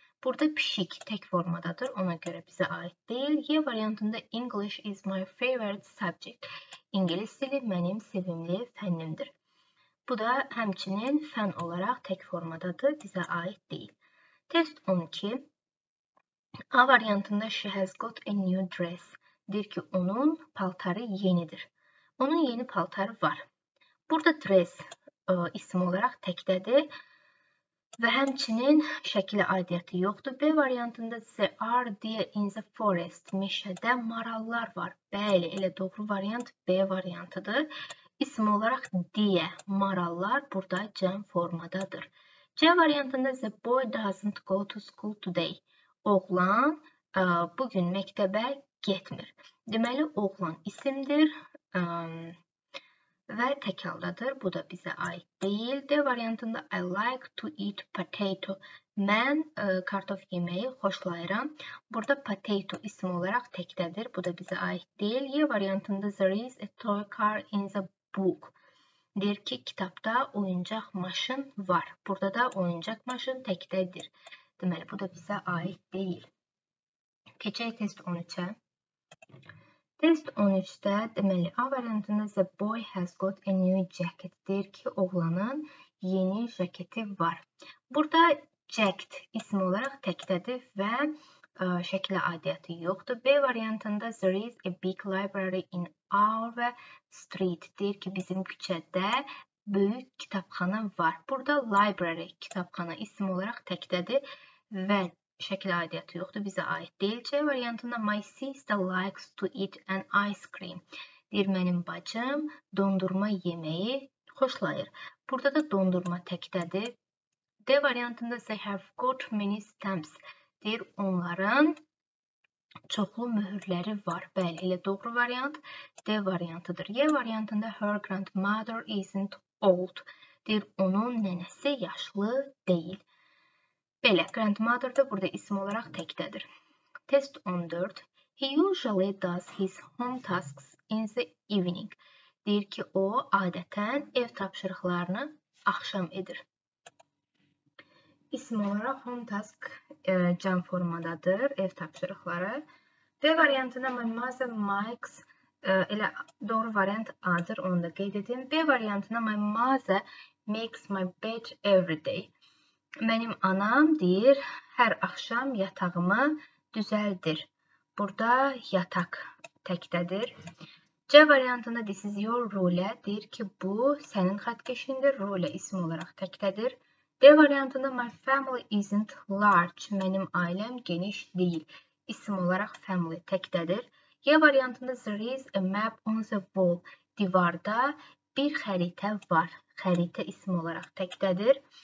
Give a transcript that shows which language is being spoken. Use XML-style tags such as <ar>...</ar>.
<az>Burada pişik tək formadadır, ona görə bizə aid deyil. Y variantında</az> <en>English is my favorite subject.</en> <az>İngilis dili mənim sevimli fənnimdir. Bu da həmçinin fən olaraq tək formadadır, bizə aid deyil. Test 12. A variantında</az> <en>she has got a new dress.</en> <az>Deyir ki, onun paltarı yenidir. Onun yeni paltarı var. Burada dress isim olaraq təkdədir. Və həmçinin şəkili aidiyyəti yoxdur. B variantında</az> <en>the are deer in the forest.</en> <az>Meşədə marallar var. Bəli, elə doğru variant B variantıdır. İsim olaraq deer, marallar burada cəm formadadır. C variantında</az> <en>the boy doesn't go to school today.</en> <az>Oğlan bugün məktəbə getmir. Deməli, oğlan isimdir. Və tək haldadır. Bu da bizə aid deyil. D variantında</az> <en>I like to eat potato.</en> <az>Mən kartof yeməyi xoşlayıram. Burada potato ismi olaraq təkdədir. Bu da bizə aid deyil. Y variantında</az> <en>there is a toy car in the book.</en> <az>Deyir ki, kitabda oyuncaq maşın var. Burada da oyuncaq maşın təkdədir. Deməli, bu da bizə aid deyil. Keçək test 13-ə. Test 13-də, deməli, A variantında</az> <en>the boy has got a new jacket.</en> <az>Deyir ki, oğlanın yeni jaketi var. Burada jacket ismi olaraq təkdədir və şəkilə aidiyyəti yoxdur. B variantında</az> <en>there is a big library in our street.</en> <az>Deyir ki, bizim küçədə böyük kitabxana var. Burada library, kitabxana ismi olaraq təkdədir və şəkil aidiyyəti yoxdur, bizə aid deyil. C variantında</az> <en>my sister likes to eat an ice cream.</en> <az>Deyir, mənim bacım dondurma yeməyi xoşlayır. Burada da dondurma təkdədir. D variantında</az> <en>they have got many stamps.</en> <az>Deyir, onların çoxlu möhürləri var. Bəli, elə doğru variant D variantıdır. Y variantında</az> <en>her grandmother isn't old.</en> <az>Deyir, onun nənəsi yaşlı deyil. Belə, grandmother da burada isim olaraq təkdədir. Test 14.</az> <en>He usually does his home tasks in the evening.</en> <az>Deyir ki, o adətən ev tapşırıqlarını axşam edir. İsim olaraq home task cəm formadadır, ev tapşırıqları. D variantında</az> <en>my mother makes,</en> <az>elə doğru variant A-dır, onu da qeyd edin. B variantında</az> <en>my mother makes my bed every day.</en> <az>Mənim anam deyir, hər axşam yatağımı düzəldir. Burada yataq təkdədir. C variantında</az> <en>this is your rule</en> <az>deyir ki, bu sənin xətkeşindir, rule isim olaraq təkdədir. D variantında</az> <en>my family isn't large,</en> <az>mənim ailəm geniş deyil, isim olaraq family təkdədir. Y variantında</az> <en>there is a map on the wall,</en> <az>divarda bir xəritə var. Xəritə ismi olaraq təkdədir.</az>